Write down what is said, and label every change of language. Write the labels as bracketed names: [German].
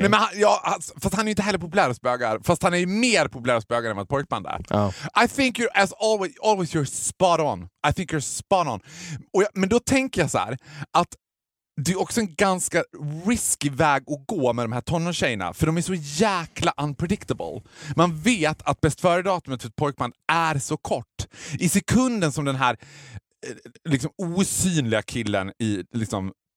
[Swedish] Nej, men fast han är inte heller populär hos bögar. Fast han är mer populär hos bögar än vad pojkband är. [English] Oh. I think you're, as always, you're spot on. I think you're spot on. [Swedish] Men då tänker jag så här, att det är också en ganska risky väg att gå med de här tonårstjejerna. För de är så jäkla unpredictable. Man vet att bäst före datumet för ett pojkband är så kort. I sekunden som den här liksom osynliga killen i liksom